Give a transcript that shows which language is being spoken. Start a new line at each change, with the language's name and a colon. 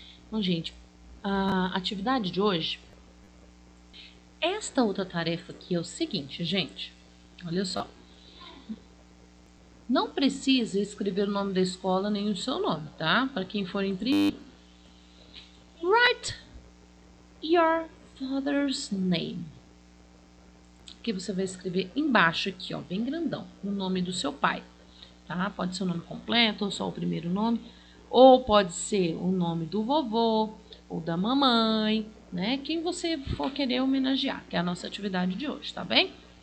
Portuguese: Bom, gente, a atividade de hoje, esta outra tarefa aqui é o seguinte, gente, olha só. Não precisa escrever o nome da escola nem o seu nome, tá? Para quem for imprimir.
English: Write your father's name.
Portuguese: Que você vai escrever embaixo aqui, ó, bem grandão, o nome do seu pai, tá? Pode ser o nome completo ou só o primeiro nome, ou pode ser o nome do vovô ou da mamãe, né? Quem você for querer homenagear, que é a nossa atividade de hoje, tá bem?